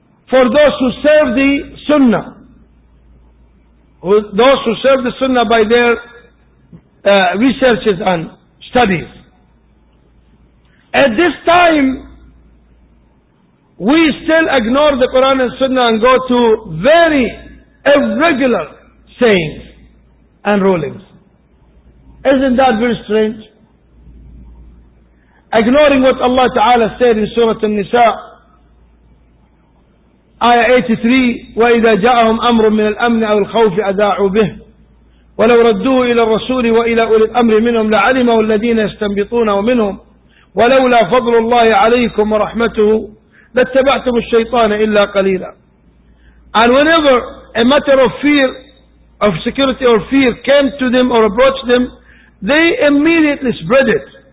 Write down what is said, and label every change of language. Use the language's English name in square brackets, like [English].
[English] for those who serve the Sunnah. Those who serve the Sunnah by their researches and studies. At this time, we still ignore the Quran and Sunnah and go to very irregular sayings and rulings. Isn't that very strange? Ignoring what Allah Ta'ala said in Surah An-Nisa, Ayah 83, [Arabic] وَإِذَا جَاءَهُمْ أَمْرٌ مِّنَ الْأَمْنِ أَوْ الْخَوْفِ أَدَاعُوا بِهِ وَلَوْ رَدُّوهُ إِلَى الرَّسُولِ وَإِلَى أُولِي الْأَمْرِ مِنْهُمْ لَعَلِمَهُ الَّذِينَ يَسْتَنْبِطُونَ وَمِنْهُمْ وَلَوْلَا فَضْلُ اللَّهِ عَلَيْكُمْ وَرَحْمَتُهُ لَاتَّبَعْتُمُ الشَّيْطَانَ إِلَّا قَلِيلًا. [English] And whenever a matter of fear, of security or fear came to them or approached them, they immediately spread it.